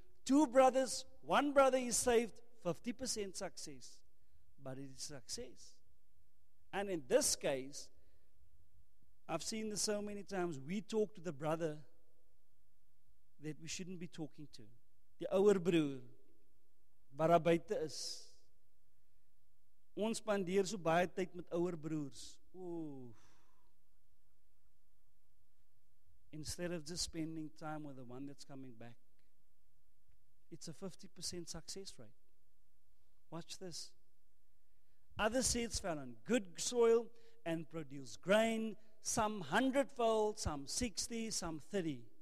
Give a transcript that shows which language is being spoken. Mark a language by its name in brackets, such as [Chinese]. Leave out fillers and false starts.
[English] Two brothers, one brother is saved, 50% success. But it is success. And in this case, I've seen this so many times, we talk to the brother that we shouldn't be talking to. [Afrikaans] Die ouer broer, wat daar buite is. Ons spandeer so baie tyd met ouer broers. Oof. [English] Instead of just spending time with the one that's coming back. It's a 50% success rate. Watch this. Other seeds fell on good soil and produced grain, some hundredfold, some 60, some 30.